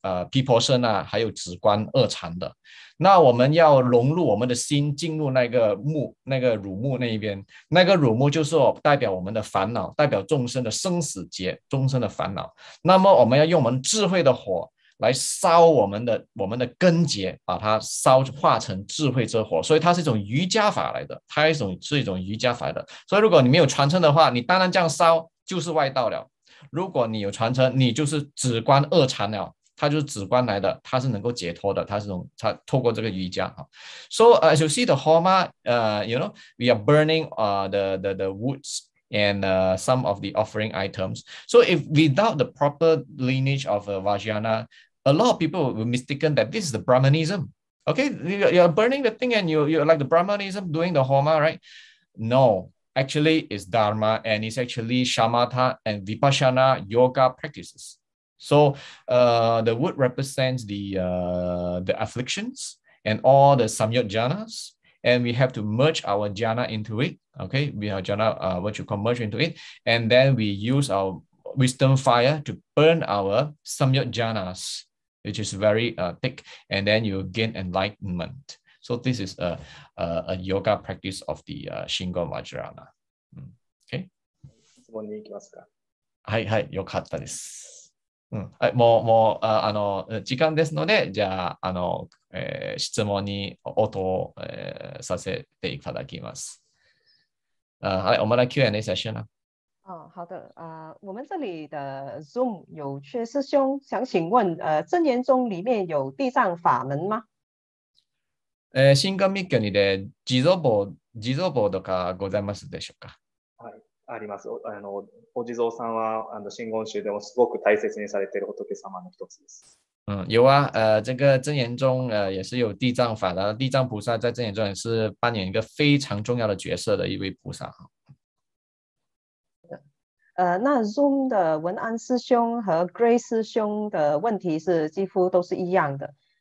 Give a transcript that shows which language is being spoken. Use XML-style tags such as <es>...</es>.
<zh>毗婆舍那还有止观二禅的，那我们要融入我们的心进入那个乳木那一边，那个乳木就是代表我们的烦恼，代表众生的生死劫，众生的烦恼，那么我们要用我们智慧的火来烧我们的根结，把它烧化成智慧之火，所以它是一种瑜伽法来的，它是一种瑜伽法来的。所以如果你没有传承的话，你单单这样烧就是外道了。如果你有传承，你就是止观二禅了，它就是止观来的，它是能够解脱的，它透过这个瑜伽。</zh> <en>So as you see the homa, you know, we are burning the woods. And some of the offering items. So if without the proper lineage of Vajrayana, a lot of people will mistaken that this is the Brahmanism. Okay, you're burning the thing and you're like the Brahmanism doing the Homa, right? No, actually it's Dharma and it's actually Shamatha and Vipassana yoga practices. So the wood represents the afflictions and all the Samyajanas. And we have to merge our jhana into it, okay? We have jhana, what you call merge into it. And then we use our wisdom fire to burn our samyajanas, which is very thick. And then you gain enlightenment. So this is a yoga practice of the Shingon Vajrayana. Okay?</en> <ja>質問に行きますか？はいはい、よかったです。うん、もう時間ですので、じゃあ、質問に応答、させていただきます。</ja> <zh>はい、我们来 Q&A session。好的。我们这里的 Zoom 有缺师兄，想请问，真言宗里面有地藏法门吗？新刚密教里的地藏宝，</zh> <ja>地藏宝とかございますでしょうか？はい、あります。お地蔵さんは真言宗でもすごく大切にされている仏様の一つです。</ja> <zh>有啊，这个真言宗也是有地藏法的，地藏菩萨在真言宗也是扮演一个非常重要的角色的一位菩萨。那 Zoom 的文安师兄和 Gray 师兄的问题是几乎都是一样的。</zh>